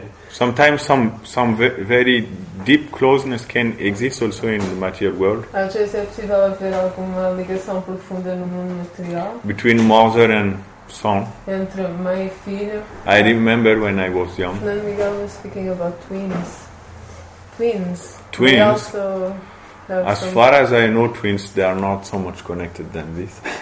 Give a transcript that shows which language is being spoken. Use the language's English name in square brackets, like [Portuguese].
[English] Sometimes some very deep closeness can exist also in the material world. [Portuguese] Às vezes é possível haver alguma ligação profunda no mundo material. [English] Between mother and son. [Portuguese] Entre mãe e filho. [English] I remember when I was young. Fernando Miguel was speaking about twins. Twins. Twins. We also have as far as I know, twins, they are not so much connected than this.